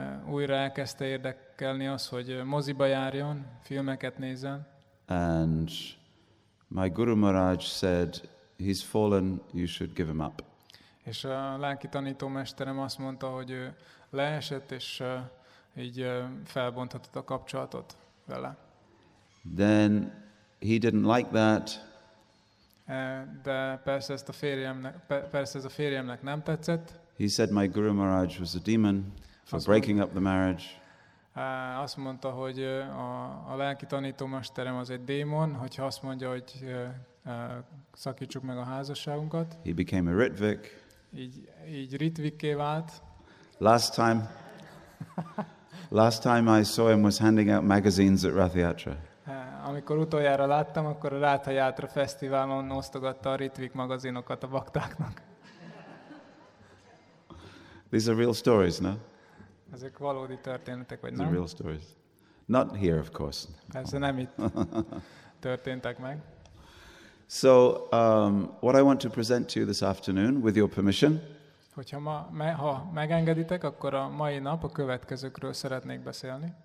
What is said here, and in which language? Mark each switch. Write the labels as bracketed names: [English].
[Hungarian] Újra elkezdte érdekelni az, hogy moziba járjon, filmeket nézzen. [English] And my Guru Maharaj said, he's fallen, you should give him up. [Hungarian] És a lelki tanítómesterem azt mondta, hogy ő leesett, és így felbonthatott a kapcsolatot vele. [English] Then he didn't like that. [Hungarian] De persze ezt a férjemnek, persze ez a férjemnek nem tetszett. [English] He said my Guru Maharaj was a demon for breaking up the marriage. [Hungarian] Azt mondta, hogy a lelki tanítómesterem az egy démon, hogyha azt mondja, hogy szakítsuk meg a házasságunkat. [English] He became a ritvik. [Hungarian] Így ritvikké vált. [English] Last time I saw him was handing out magazines at Rathiatra. [Hungarian] Amikor utoljára láttam, akkor a Rathiatra fesztiválon osztogatta a Ritvik magazinokat a baktáknak. [English] These are real stories, no? [Hungarian] Ezek valódi történetek, vagy nem? [English] These are real stories. Not here, of course. [Hungarian] Persze nem itt történtek meg. [English] So, what I want to present to you this afternoon, with your permission. [Hungarian] Hogyha ha megengeditek, akkor a mai nap a következőkről szeretnék beszélni.